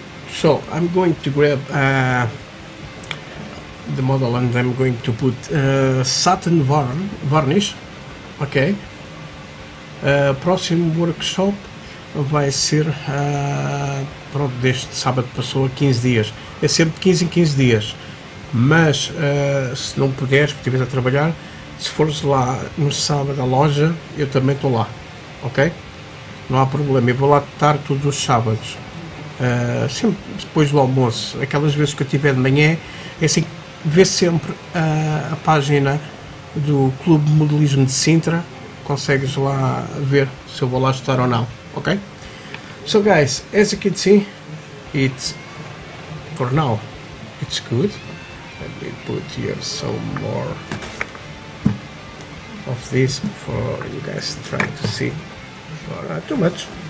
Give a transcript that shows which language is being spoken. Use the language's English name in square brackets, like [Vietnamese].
[English] So I'm going to grab the model and I'm going to put satin varnish, okay. [Portuguese] Próximo workshop vai ser para deste sábado passou a 15 dias. É sempre 15 em 15 dias, mas se não puderes, porque estiveres a trabalhar, se fores lá no sábado à loja, eu também estou lá, ok? Não há problema, eu vou lá estar todos os sábados. Sempre depois do almoço, aquelas vezes que eu tiver de manhã, é assim, vê sempre a página do Clube Modelismo de Sintra, consegues lá ver se eu vou lá estar ou não, ok? [English] So guys, as you can see, it's, for now, it's good. Let me put here some more of this before you guys try to see, but not too much.